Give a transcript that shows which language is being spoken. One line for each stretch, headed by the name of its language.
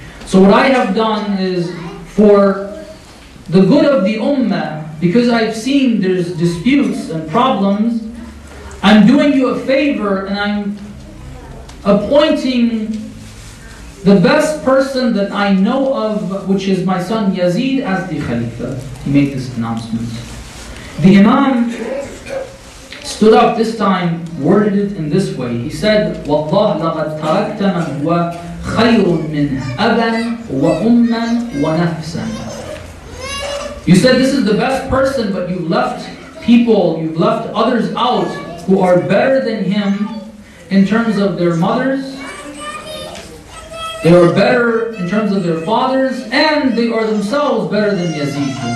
English: So what I have done is for the good of the ummah, because I've seen there's disputes and problems, I'm doing you a favor and I'm appointing the best person that I know of, which is my son Yazid, as the khalifa. He made this announcement. The imam stood up this time, worded it in this way. He said,
Arabic: وَاللَّهْ لَقَدْ تَرَكْتَ مَنْ هُوَ خَيْرٌ مِنْ أَبًا وَأُمًّا وَنَفْسًا.
English: You said this is the best person, but you've left people, you've left others out who are better than him in terms of their mothers. They are better in terms of their fathers, and they are themselves better than Yazid.